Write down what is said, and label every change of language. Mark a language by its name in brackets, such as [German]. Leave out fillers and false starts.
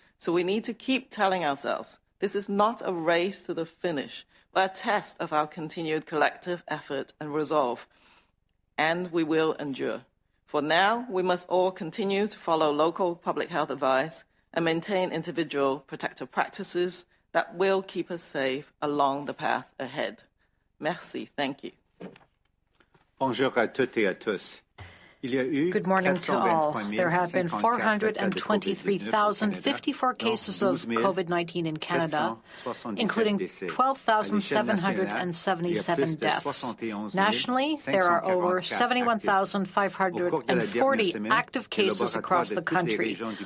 [English] So we need to keep telling ourselves this is not a race to the finish, but a test of our continued collective effort and resolve. And we will endure. For now, we must all continue to follow local public health advice and maintain individual protective practices that will keep us safe along the path ahead. [French] Merci. [English] Thank you. [French] Bonjour à toutes et à tous. [English] Good morning to all. There have been 423,054 cases of COVID-19 in Canada, including 12,777 deaths. Nationally, there are over 71,540 active cases across the country.